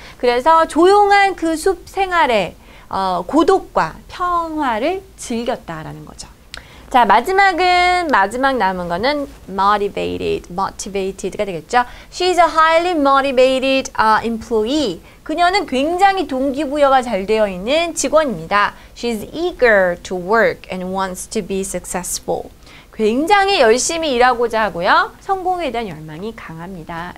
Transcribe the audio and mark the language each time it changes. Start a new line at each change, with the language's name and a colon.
Korean: 그래서 조용한 그 숲 생활의 고독과 평화를 즐겼다라는 거죠. 자, 마지막 남은 거는 motivated가 되겠죠.
English: She's a highly motivated employee.
Korean: 그녀는 굉장히 동기부여가 잘 되어 있는 직원입니다.
English: She's eager to work and wants to be successful.
Korean: 굉장히 열심히 일하고자 하고요. 성공에 대한 열망이 강합니다.